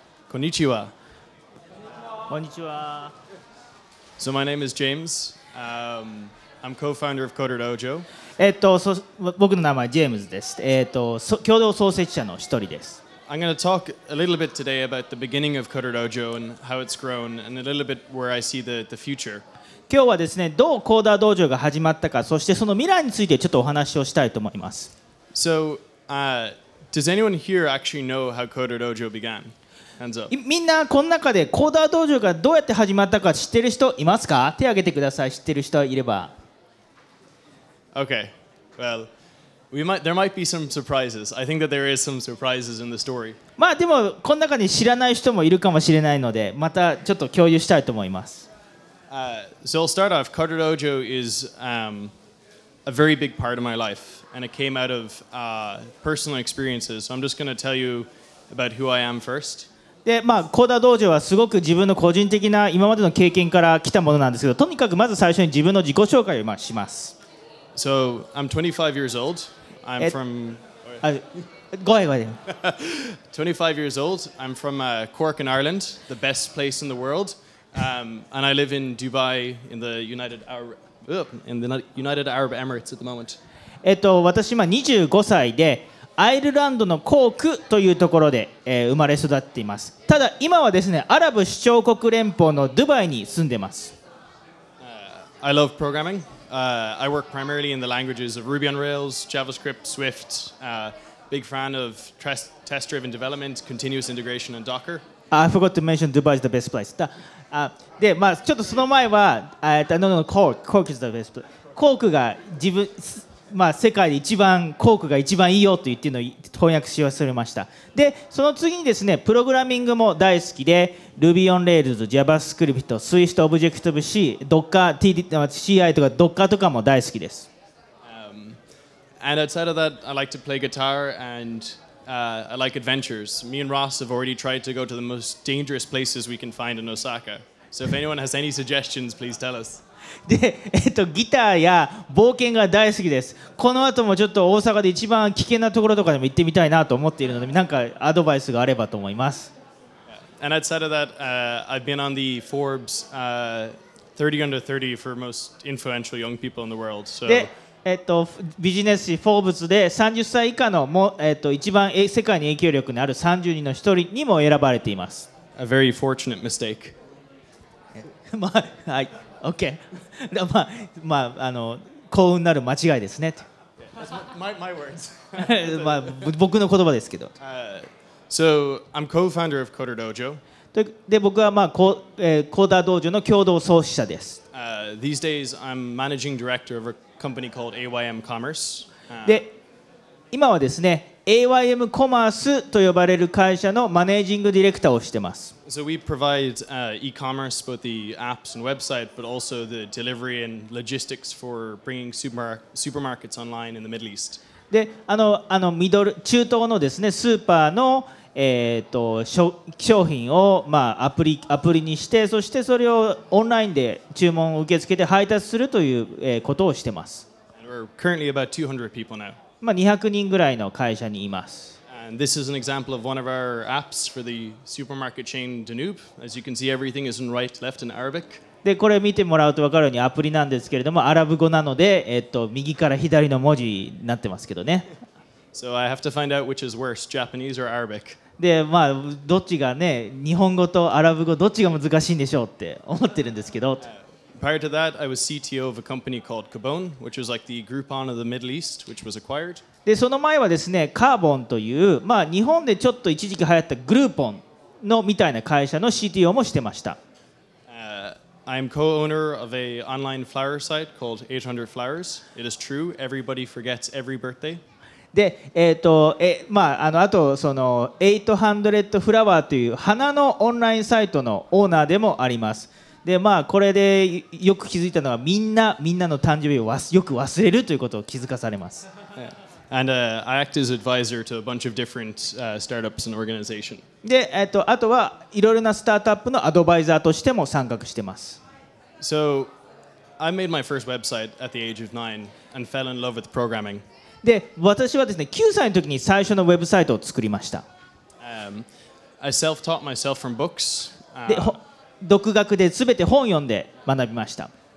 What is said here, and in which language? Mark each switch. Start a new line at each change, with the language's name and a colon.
Japanese: Konnichiwa. Konnichiwa.
English: So my name is James. I'm co-founder of CoderDojo.
Japanese: 僕の名前ジェームズです。共同創設者の一人です。
English: I'm going to talk a little bit today about the beginning of CoderDojo and how it's grown and a little bit where I see the future.
Japanese: 今日はですね、どう CoderDojo が始まったか、そしてその未来についてちょっとお話をしたいと思います。
English: So, does anyone here actually know how CoderDojo began?
Japanese: みんなこの中でコーダー道場がどうやって始まったか知ってる人いますか？手を挙げてください。知ってる人いれば。
English: Okay. Well, there might be some surprises. I think that there is some surprises in the story.
Japanese: まあでもこの中に知らない人もいるかもしれないので、またちょっと共有したいと思います。
English: So I'll start off. Coder Dojo is a very big part of my life, and it came out of personal experiences. So I'm just going to tell you about who I am first.
Japanese: で、まあ、コーダー道場はすごく自分の個人的な今までの経験から来たものなんですけど、とにかくまず最初に自分の自己紹介をします。
English: So, I'm 25 years old. I'm from...
Japanese: ごめんごめん。
English: 25 years old. I'm from Cork in Ireland, the best place in the world. And I live in Dubai in the United Arab Emirates at the moment.
Japanese: 私今25歳で、アイルランドのコークというところで、生まれ育っています。ただ今はですね、アラブ首長国連邦のドゥバイに住んでます。
English: I love programming. I work primarily in the languages of Ruby on Rails, JavaScript, Swift. Big fan of test-driven development, continuous integration and Docker. I forgot to mention Dubai is the best place.
Japanese: で、まあ、ちょっとその前は、コーク
English: is the best place.
Japanese: コークが自分、まあ、世界で一番コークが一番いいよと言っているのを翻訳し忘れました。で、その次にですね、プログラミングも大好きで、Ruby on Rails、JavaScript、Swift、Objective-C、Docker、CI とか Docker とかも大好きです。
English: And outside of that, I like to play guitar and I like adventures. Me and Ross have already tried to go to the most dangerous places we can find in Osaka. So if anyone has any suggestions, please tell us.
Japanese: で、ギターや冒険が大好きです。この後もちょっと大阪で一番危険なところとかでも行ってみたいなと思っているので、なんかアドバイスがあればと思います。
English: And outside of that, I've been on the Forbes 30 under 30 for most influential young people in the world. So...
Japanese: で、ビジネス誌フォーブスで30歳以下のも、一番世界に影響力のある30人の一人にも選ばれています。
English: A very fortunate mistake.
Japanese: まあ、はい。OK 、まあ。まあ、幸運なる間違いですね。
English: my words.
Japanese: 、まあ、僕の言葉ですけど。
English: So, I'm co-founder of Coder Dojo.
Japanese: で、僕は、まあ、コーダー道場の共同創始者です。
English: These days, I'm managing director of a company called AYM Commerce.
Japanese: で、今はですね、AYM Commerce と呼ばれる会社のマネージングディレクターをしてます。
English: So we provide e-commerce, both the apps and website, but also the delivery and logistics for bringing supermarkets online in the Middle East.
Japanese: で、ミドル、中東のですね、スーパーの、商品を、まあ、アプリにして、そしてそれをオンラインで注文を受け付けて配達するという、ことをしてます。
English: And we're currently about 200 people now.
Japanese: まあ、200人ぐらいの会社にいます。
English: And this is an example of one of our apps for the supermarket chain Danub. As you can see, everything is in right, left in Arabic.
Japanese: で、これ見てもらうと分かるようにアプリなんですけれども、アラブ語なので、右から左の文字になってますけどね。
English: So I have to find out which is worse, Japanese or Arabic.
Japanese: で、まあ、どっちがね、日本語とアラブ語、どっちが難しいんでしょうって思ってるんですけど。
English: Prior to that, I was CTO of a company called Carbon, which was like the Groupon of the Middle East, which was acquired.
Japanese: で、その前はですね、カーボンという、まあ、日本でちょっと一時期流行ったグルーポンのみたいな会社の CTO もしてました。
English: I'm co-owner of an online flower site called 800 Flowers. It is true, everybody forgets every birthday.
Japanese: で、まあ、あとその800 Flower という花のオンラインサイトのオーナーでもあります。で、まあ、これでよく気づいたのはみんなの誕生日をよく忘れるということを気づかされます。
English: And I act as advisor to a bunch of different startups and organizations.
Japanese: で、あとはいろいろなスタートアップのアドバイザーとしても参画してます。
English: So, I made my first website at the age of 9 and fell in love with programming.
Japanese: で、私はですね、9歳の時に最初のウェブサイトを作りました。
English: I self-taught myself from books.
Japanese: で、独学で全て本読んで学びました。